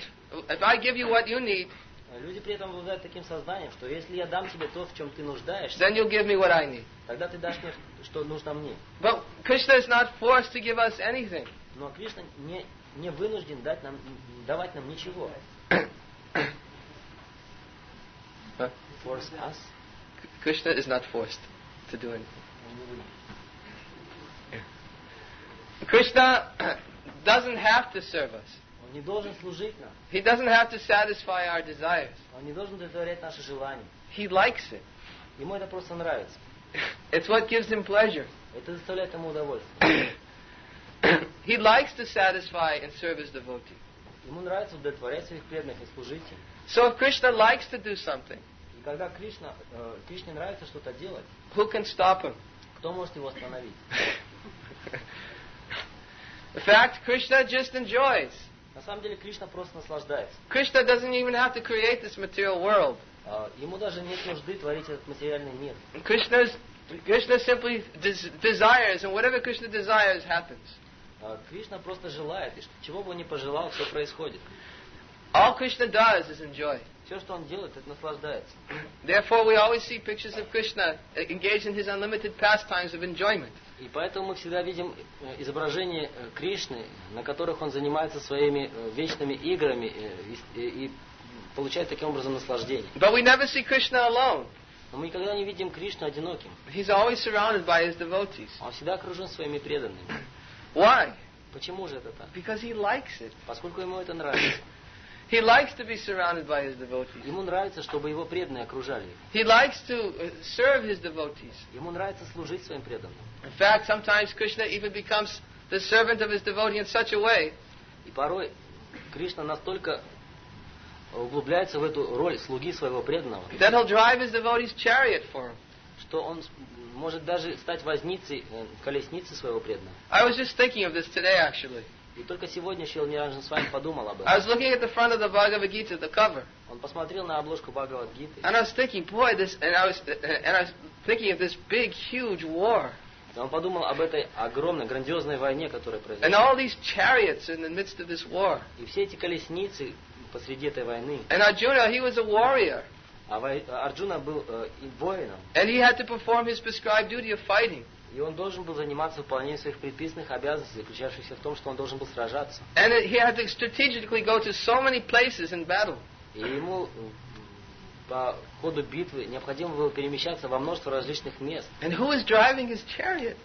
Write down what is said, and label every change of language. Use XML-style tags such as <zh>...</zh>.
<ru>Люди при этом обладают таким сознанием, что если я дам тебе то, в чем ты нуждаешься,</ru> <en>then you'll give me what I need.</en> <ru>Тогда ты дашь мне, что нужно мне.</ru> <en>But Krishna is not forced to give us anything.</en> <ru>Но Кришна не вынужден давать нам ничего.</ru> <en>Force us? Krishna is not forced to do anything. Krishna doesn't have to serve us.</en> <ru>Он не должен служить нам.</ru> <en>He doesn't have to satisfy our desires.</en> <ru>Он не должен удовлетворять наши желания.</ru> <en>He likes it.</en> <ru>Ему это просто нравится.</ru> <en>It's what gives him pleasure.</en> <ru>Это доставляет ему удовольствие.</ru> <en>He likes to satisfy and serve his devotee.</en> <ru>Ему нравится удовлетворять своих преданных и служить им.</ru> <en>So if Krishna likes to do something,</en> <ru>и когда Кришне нравится что-то делать,</ru> <en>who can stop him?</en> <ru>Кто может его остановить?</ru> <en>In fact, Krishna just enjoys.</en> <ru>На самом деле Кришна просто наслаждается.</ru> <en>Krishna doesn't even have to create this material world.</en> <ru>Ему даже нет нужды творить этот материальный мир.</ru> <en>Krishna simply desires, and whatever Krishna desires happens.</en> <ru>Кришна просто желает, и чего бы он ни пожелал, все происходит.</ru> <en>All Krishna does is enjoy.</en> <ru>Все, что он делает, это наслаждается.</ru> <en>Therefore, we always see pictures of Krishna engaged in his unlimited pastimes of enjoyment.</en> <ru>И поэтому мы всегда видим изображения Кришны, на которых он занимается своими вечными играми и получает таким образом наслаждение.</ru> <en>But we never see Krishna alone.</en> <ru>Но мы никогда не видим Кришну одиноким.</ru> <en>He's always surrounded by his devotees.</en> <ru>Он всегда окружен своими преданными.</ru> <en>Why?</en> <ru>Почему же это так?</ru> <en>Because he likes it.</en> <ru>Поскольку ему это нравится.</ru> <en>He likes to be surrounded by his devotees.</en> <ru>Ему нравится, чтобы его преданные окружали.</ru> <en>He likes to serve his devotees.</en> <ru>Ему нравится служить своим преданным.</ru> <en>In fact, sometimes Krishna even becomes the servant of his devotee in such a way.</en> <ru>И порой Кришна настолько углубляется в эту роль слуги своего преданного,</ru> <en>that he'll drive his devotee's chariot for him.</en> <ru>Что он может даже стать возницей, колесницей своего преданного.</ru> <en>I was just thinking of this today, actually.</en> <ru>И только сегодня Шрила Ниранджан с вами подумал об этом.</ru> <en>I was looking at the front of the Bhagavad Gita, the cover.</en> <ru>Он посмотрел на обложку Бхагавад Гиты.</ru> <en>And I was thinking, boy, this, and I was thinking of this big, huge war.</en> <ru>И он подумал об этой огромной, грандиозной войне, которая произошла.</ru> <en>And all these chariots in the midst of this war.</en> <ru>И все эти колесницы посреди этой войны.</ru> <en>And Arjuna, he was a warrior.</en> <ru>Арджуна был воином.</ru> <en>And he had to perform his prescribed duty of fighting.</en> <ru>И он должен был заниматься выполнением своих предписанных обязанностей, заключавшихся в том, что он должен был сражаться.</ru> <en>And he had to strategically go to so many places in battle.</en> <ru>И ему по ходу битвы необходимо было перемещаться во множество различных мест.</ru> <en>And who was driving his chariot?</en>